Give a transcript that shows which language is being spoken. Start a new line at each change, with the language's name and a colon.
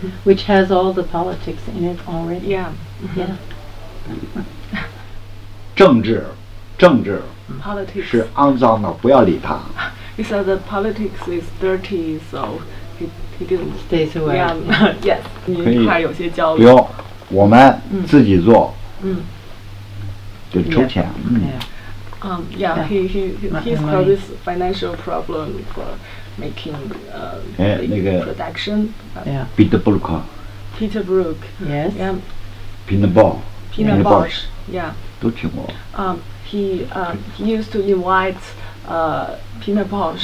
English: Which has all the politics in it already. Yeah. Yeah.
Chinese: 政治
English: politics.
Chinese: 是肮脏的, 不要理他。
English: He said the politics is dirty, so he didn't stay away. Yeah. Yes.
Chinese: 可以。不用, 我们自己做, 就抽钱。
English: Yeah. He's got this financial problem for making production. Yeah. Peter Brook. Peter Brook. Yes. Yeah. Peter Bosch. Yeah.
Chinese: 都听过.
English: He used to invite Peter Bosch